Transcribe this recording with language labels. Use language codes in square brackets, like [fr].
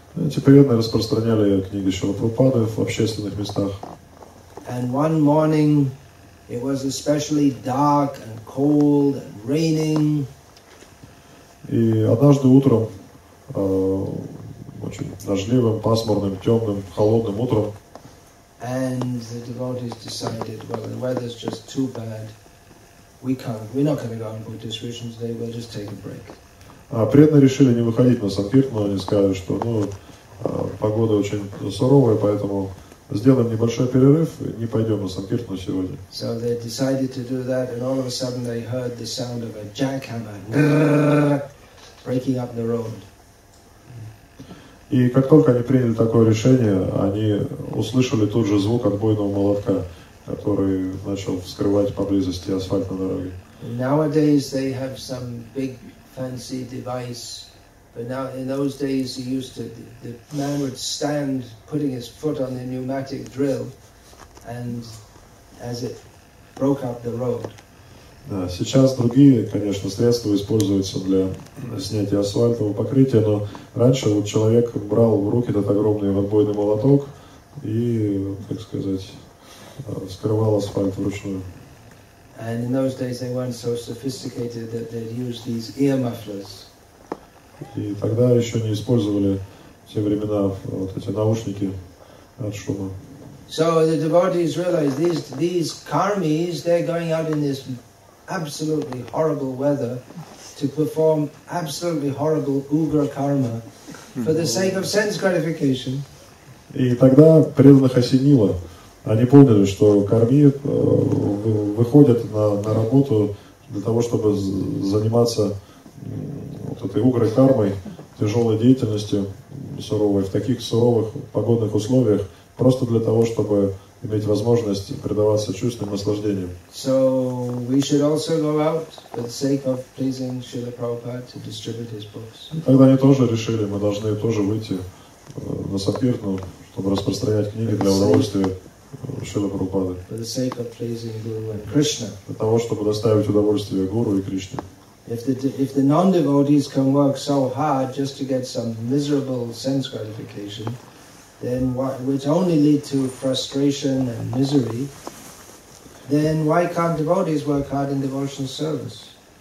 [ru] Эти преданные распространяли книги Шрилы Прабхупады в общественных местах. [en] And one morning, it was especially dark and cold and raining. [ru] И однажды утром, очень дождливым, пасмурным, темным, холодным утром. [en] And the devotees decided, well, the weather's just too bad. We're not going to go on Buddhist retreat today. We'll just take a break. [ru] Преданные решили не выходить на санкиртну. Они сказали, что погода очень суровая, поэтому сделаем небольшой перерыв, не пойдем на санкиртну сегодня. [en] So they decided to do that, and all of a sudden they heard the sound of a jackhammer breaking up the road. [ru] И как только они приняли такое решение, они услышали тот же звук отбойного молотка, который начал вскрывать поблизости асфальт на дороге. [en] Nowadays they have some big fancy device, but now in those days he used to, the man would stand putting his foot on the pneumatic drill, and as it broke up the road. [ru] Да, сейчас другие, конечно, средства используются для снятия асфальтового покрытия, но раньше вот человек брал в руки этот огромный отбойный молоток и, как сказать, скрывал асфальт вручную. [en] And in those days they weren't so sophisticated that they'd use these ear mufflers. [ru] И тогда еще не использовали в те времена вот эти наушники от шума. [en] So the devotees realized these karmis, they're going out in this absolutely horrible weather to perform absolutely horrible ugra karma for the sake of sense gratification. [ru] И тогда преданных осенило. Они поняли, что карми выходят на работу для того, чтобы заниматься вот этой угрой кармой, тяжелой деятельностью суровой, в таких суровых погодных условиях, просто для того, чтобы иметь возможность предаваться чувственным наслаждениям. [en] So we should also go out for the sake of pleasing Srila Prabhupada to distribute his books. [ru] Тогда они тоже решили, мы должны тоже выйти на санкиртну, чтобы распространять книги для удовольствия Шрилы Прабхупады. [en] For the sake of pleasing Guru and Krishna. [ru] Для того, чтобы доставить удовольствие Гуру и Кришне. [en] If the non-devotees can work so hard just to get some miserable sense gratification, then which only lead to frustration and misery, then why can't devotees work hard in devotional service?